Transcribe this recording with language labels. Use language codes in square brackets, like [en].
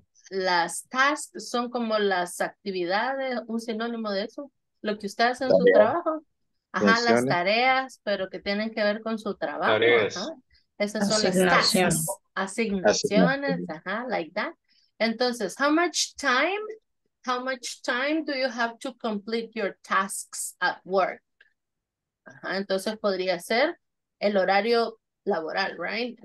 [es] Las tasks son como las actividades, un sinónimo de eso, lo que usted hace en su trabajo. Ajá, las tareas, pero que tienen que ver con su trabajo. Esas son las tasks, asignaciones, ajá, [en] like that. Entonces, how much time do you have to complete your tasks at work? [es] Ajá, entonces podría ser el horario laboral, right?